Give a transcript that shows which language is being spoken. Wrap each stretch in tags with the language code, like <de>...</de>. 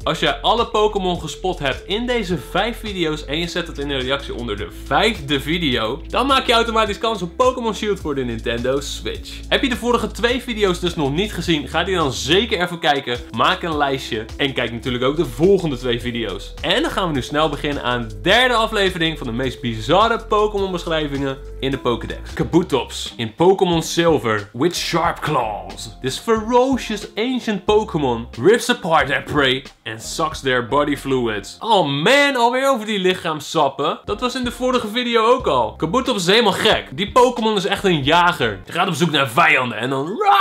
<nl>Als jij alle Pokémon gespot hebt in deze 5 video's en je zet het in de reactie onder de 5e video, dan maak je automatisch kans op Pokémon Shield voor de Nintendo Switch. Heb je de vorige 2 video's dus nog niet gezien, ga die dan zeker even kijken, maak een lijstje en kijk natuurlijk ook de volgende 2 video's. En dan gaan we nu snel beginnen aan de 3e aflevering van de meest bizarre Pokémon beschrijvingen in de Pokédex.</nl> <en>Kabutops in Pokémon Silver with sharp claws. This ferocious ancient Pokémon rips apart their prey and sucks their body fluids.</en> <nl>Oh man, alweer over die lichaamssappen. Dat was in de vorige video ook al. Kabutops is helemaal gek. Die Pokémon is echt een jager. Hij gaat op zoek naar vijanden en dan...</nl>